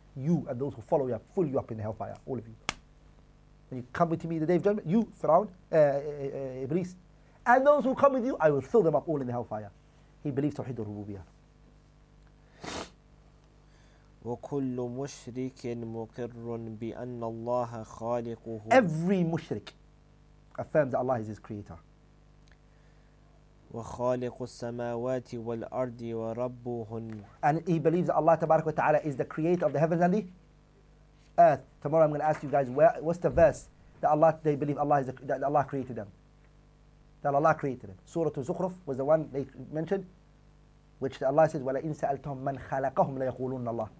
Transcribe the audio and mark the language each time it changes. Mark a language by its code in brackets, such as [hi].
[en] You and those who follow you, I fill you up in the hellfire, all of you. When you come with me in the day of judgment, you, Fir'aun, Iblis, and those who come with you, I will fill them up all in the hellfire. He believes Tawheed al-Rububiyyah. [ar] وَكُلُّ مُشْرِكٍ مُقِرٌ بِأَنَّ اللَّهَ خَالِقُهُ. [en] Every mushrik affirms that Allah is his creator. [ar] وخالق السماوات والأرض وربهن. [en] And he believes that Allah Tabarak wa Ta'ala is the creator of the heavens and the earth. Tomorrow I'm going to ask you guys what's the verse that Allah, they believe Allah is the, that Allah created them. That Allah created them. Surah Zukhruf was the one they mentioned, which Allah says, [ar] وَلَئِن سَأَلْتَهُمْ مَنْ خَلَقَهُمْ لَيَقُولُونَ اللَّهُ.